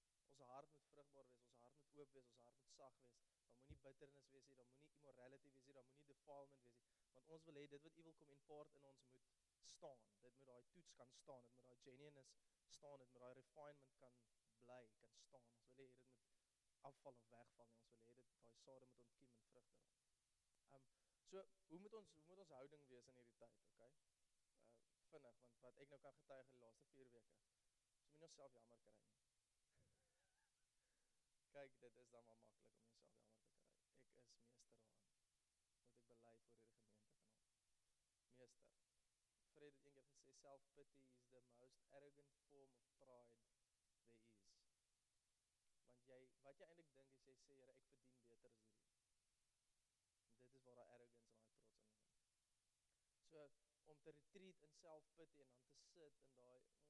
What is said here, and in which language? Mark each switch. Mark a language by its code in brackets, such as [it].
[af] Ons hart moet vrugbaar wees, ons hart moet oop wees, ons hart moet sag wees, daar moet nie bitternis wees, daar moet nie immorality wees, daar moet nie defilement wees, want ons wil hê, dit wat evil kom import in ons moet staan, dit moet daai toets kan staan, dit moet daai genuineness staan, dit moet daai refinement kan bly, kan staan, ons wil hê, dit moet afval of wegval, en ons wil hê, daai sade moet ontkiem en vrug dra. So, hoe moet ons houding wees in hierdie tyd, okay? Vinnig, want wat ek nou kan getuig in die laaste 4 weke, so moet jy onsself jammer kry nie. Kyk, dit is dan maar makkelijk om jyself jammer te kry. Ek is meester daarin, moet ek bely voor hierdie gemeente genoem. Meester. Fred het een keer gesê, [en] self-pity is the most arrogant form of pride there is. [af] Want jy, wat jy eintlik dink is, jy sê, Here, ek verdien beter as hierdie. Dit is waar die arrogance en die trots in is. So, om te retreat in self-pity en dan te sit in die